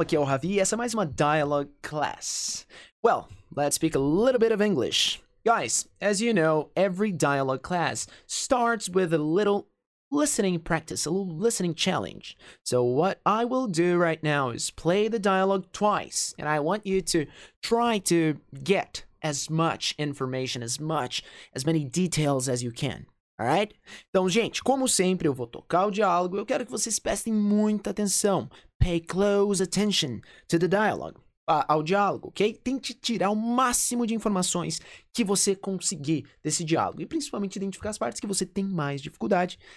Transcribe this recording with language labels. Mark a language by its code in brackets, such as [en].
[pt] Aqui é o Javi, essa é mais uma Dialogue Class. [en] Well, let's speak a little bit of English. Guys, as you know, every Dialogue Class starts with a little listening practice, a little listening challenge. So what I will do right now is play the dialogue twice, and I want you to try to get as much information, as many details as you can. Alright? [pt] Então, gente, como sempre, eu vou tocar o diálogo e eu quero que vocês prestem muita atenção. [en] Pay close attention to the dialogue. [pt] Ao diálogo, ok? Tente tirar o máximo de informações que você conseguir desse diálogo. E principalmente identificar as partes que você tem mais dificuldade.